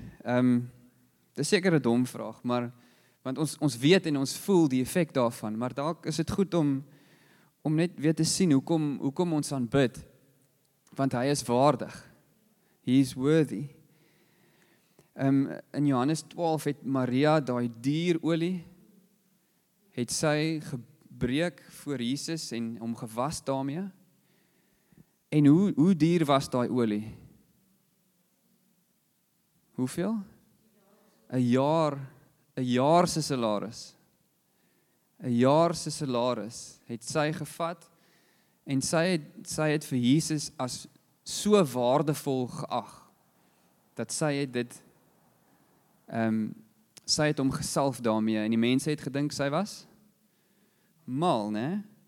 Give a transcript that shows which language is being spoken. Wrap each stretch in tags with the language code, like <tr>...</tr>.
<af>Ek dink dit is seker 'n dom vraag, maar want ons weet en ons voel die effek daarvan, maar dalk is dit goed om net weer te sien hoekom ons aanbid, want Hy is waardig.</af> <en>He is worthy.</en> <af>In Johannes 12 het Maria daai dierolie het sy gebreek voor Jesus en hom gewas daarmee. En hoe duur was daai olie? Hoeveel? Een jaar se salaris het sy gevat en sy het vir Jesus as so waardevol geag dat sy het dit sy het hom gesalf daarmee en die mense het gedink sy was mal, né?</af>